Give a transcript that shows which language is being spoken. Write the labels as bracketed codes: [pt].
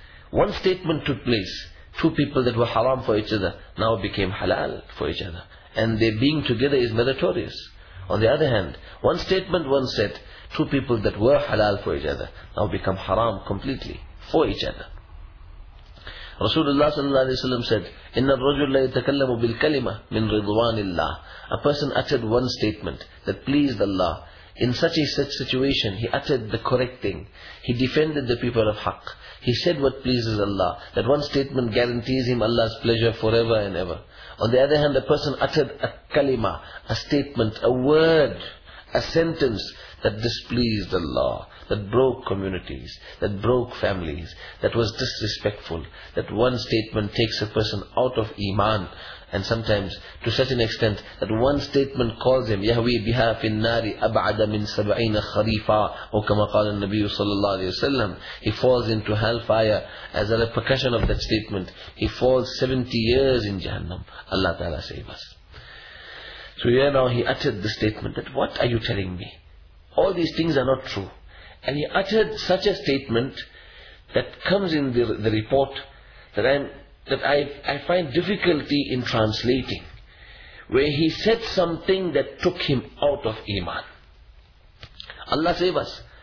[en] One statement took place, two people that were haram for each other now became halal for each other. And their being together is meritorious. On the other hand, one statement once said, two people that were halal for each other now become haram completely for each other. Rasulullah sallallahu alayhi wa sallam said, [ar] إِنَّ الرَّجُلَ يَتَكَلَّمُ بِالْكَلِمَةِ مِنْ رِضْوَانِ اللَّهِ. [en] A person uttered one statement that pleased Allah. In such a such situation, he uttered the correct thing. He defended the people of Haqq. He said what pleases Allah. That one statement guarantees him Allah's pleasure forever and ever. On the other hand, a person uttered a kalima, a statement, a word, a sentence that displeased Allah, that broke communities, that broke families, that was disrespectful. That one statement takes a person out of iman. And sometimes, to such an extent, that one statement calls him, [ar] يَهْوِي بِهَا فِي النَّارِ أَبْعَدَ مِنْ سَبْعِينَ خَرِيفًا أو كَمَا قَالَ النَّبِيُّ صَلَى اللَّهُ عَلَيْهِ وَسَلَّمُ. [en] He falls into hellfire as a repercussion of that statement. He falls 70 years in Jahannam. Allah Ta'ala save us. So here now he uttered the statement that, what are you telling me? All these things are not true. And he uttered such a statement that comes in the report that I find difficulty in translating, where he said something that took him out of Iman. Allah save us.